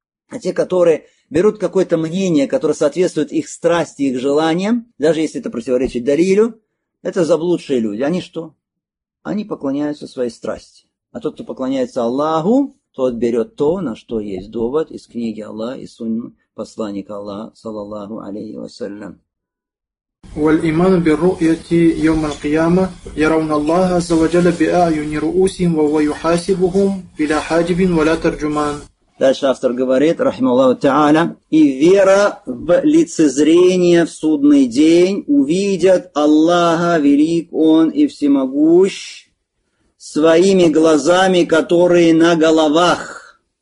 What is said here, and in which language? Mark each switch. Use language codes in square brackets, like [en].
[ru] А те, которые берут какое-то мнение, которое соответствует их страсти, их желаниям, даже если это противоречит далилю, это заблудшие люди. Они что? Они поклоняются своей страсти. А тот, кто поклоняется Аллаху, тот берет то, на что есть довод из книги Аллаха и Сунны посланника Аллаха, саллаллаху алейхи вассалям. [ar] والإيمان بالرؤية يوم القيامة يرون الله عز وجل بأعين رؤوسهم وهو يحاسبهم بلا حاجب ولا ترجمان. [ru] Дальше автор говорит, рахима Аллаху Та'аля, и вера в лицезрение в судный день увидят Аллаха, велик Он и всемогущ, своими глазами, которые на головах.